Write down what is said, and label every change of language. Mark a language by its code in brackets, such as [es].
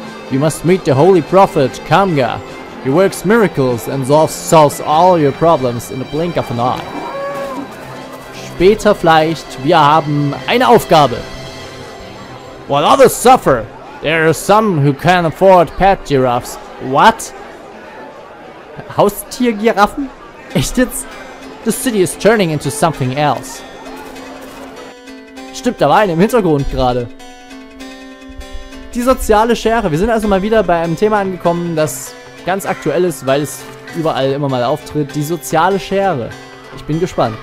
[en] You must meet the holy prophet, Kamga. He works miracles and solves all your problems in the blink of an eye. [de] Später vielleicht, wir haben eine Aufgabe. [en] while others suffer. There are some who can afford pet giraffes. What? [de] Haustiergiraffen? Echt jetzt? [en] The city is turning into something else. [de] Stimmt, da war einer im Hintergrund gerade. Die soziale Schere. Wir sind also mal wieder bei einem Thema angekommen, das ganz aktuell ist, weil es überall immer mal auftritt. Die soziale Schere. Ich bin gespannt.